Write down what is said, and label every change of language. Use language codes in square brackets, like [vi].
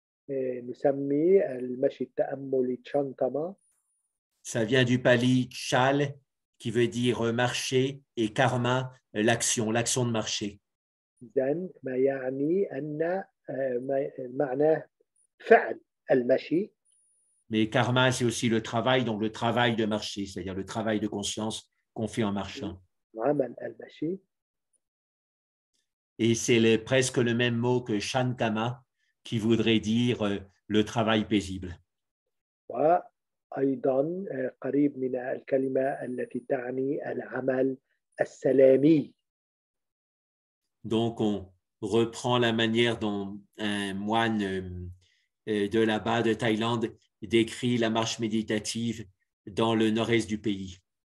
[ar] نسمي المشي التأملي تشانتما. [fr] Ça vient du pali chal qui veut dire marcher et karma l'action de marcher. [ar] إذن ما يعني أن معناه فعل المشي. [fr] Mais karma c'est aussi le travail, donc le travail de marcher, c'est-à-dire le travail de conscience qu'on fait en marchant. [ar] عمل المشي. [fr] Et c'est presque le même mot que chantama, qui voudrait dire le travail paisible. [ar] وأيضاً قريب من الكلمة التي تعني العمل السلامي. [fr] Donc on reprend la manière dont un moine de là-bas de Thaïlande décrit la marche méditative dans le nord-est du pays.